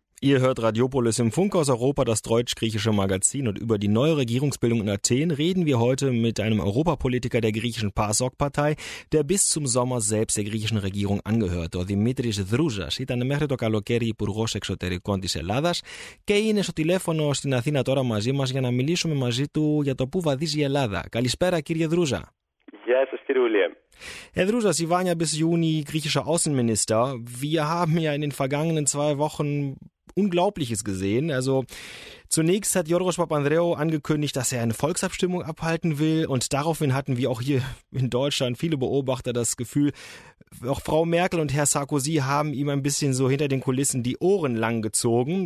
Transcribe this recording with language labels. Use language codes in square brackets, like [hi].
[de] Ihr hört Radiopolis im Funkhaus Europa, das deutsch-griechische Magazin. Und über die neue Regierungsbildung in Athen reden wir heute mit einem Europapolitiker der griechischen PASOK-Partei, der bis zum Sommer selbst der griechischen Regierung angehört. [el] Ο Δημήτρης Δρούζας ήταν μέχρι το καλοκαίρι υπουργός εξωτερικών της Ελλάδας και είναι στο τηλέφωνο στην Αθήνα τώρα μαζί μας για να μιλήσουμε μαζί του για το πού βαδίζει η Ελλάδα. Καλησπέρα κύριε Δρούζα. Γεια σας κύριε Ουλία. [de] Herr Drusas, Sie waren ja bis Juni griechischer Außenminister. Wir haben ja in den vergangenen zwei Wochen Unglaubliches gesehen. Also zunächst hat Yorgos Papandreou angekündigt, dass er eine Volksabstimmung abhalten will. Und daraufhin hatten wir auch hier in Deutschland viele Beobachter das Gefühl, auch Frau Merkel und Herr Sarkozy haben ihm ein bisschen so hinter den Kulissen die Ohren lang gezogen.